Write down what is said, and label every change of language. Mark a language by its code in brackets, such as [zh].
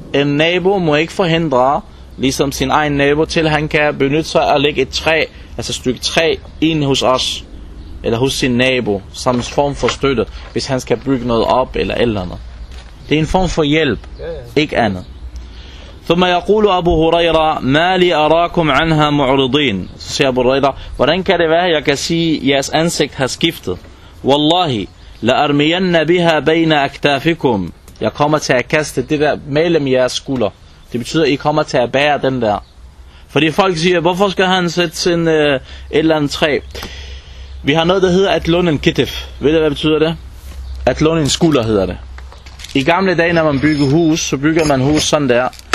[da] En nabo må ikke forhindre, ligesom sin egen nabo, til han kan benytte sig at lægge et træ, altså et stykke træ, ind hos os. Eller hos sin nabo, som en form for støtte, hvis han skal bygge noget op, eller et eller andet. Det er en form for hjælp, ikke andet. [ar] ثم يقول أبو هريرة ما لي أراكم عنها معرضين. [da] Så siger Abu Huraira, hvordan kan det være, jeg kan sige, jeres ansigt har skiftet? [ar] والله لأرمين بها بين أكتافكم. [da] Jeg kommer til at kaste det der mellem jeres skulder. Det betyder, at I kommer til at bære den der. Fordi folk siger, hvorfor skal han sætte sin et eller andet træ? Vi har noget, der hedder at låne en kittif. Ved du, hvad betyder det? At låne en skulder hedder det. I gamle dage, når man bygger hus, så bygger man hus sådan der.